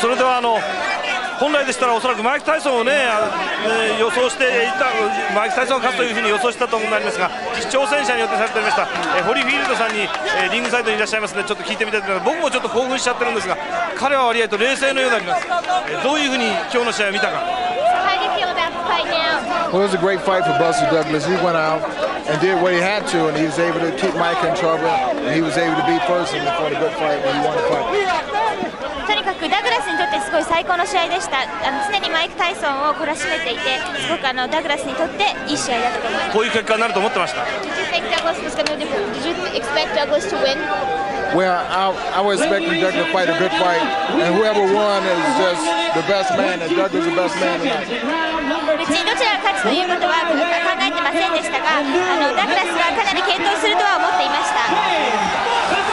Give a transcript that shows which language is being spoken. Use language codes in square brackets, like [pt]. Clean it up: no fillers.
[ja] それではあの本来でしたらおそらくマイク・タイソンをね、予想していた、マイク・タイソンが勝つというふうに予想したと思うんですが、挑戦者によってされておりました、ホリフィールドさんに、リングサイドにいらっしゃいますので、ちょっと聞いてみたいと思います。僕もちょっと興奮しちゃってるんですが、彼は割合と冷静のようになります、どういうふうに今日の試合を見たか。 [en] How do you feel about the fight now? Well, it was a great fight for Buster Douglas. He went out and did what he had to, and he was able to keep Mike in trouble, and he was able to beat Ferguson for the good fight when he won the fight. [ja] ダグラスにとってすごい最高の試合でした。常にマイク・タイソンを懲らしめていて、すごくダグラスにとっていい試合だったと思います。こういう結果になると思ってました。 [en] Well, I was expecting Doug to fight a good fight, and whoever won is just the best man, and Doug is the best man tonight. [ja] 別にどちらが勝つということは考えてませんでしたが、ダグラスはかなり健闘するとは思っていました。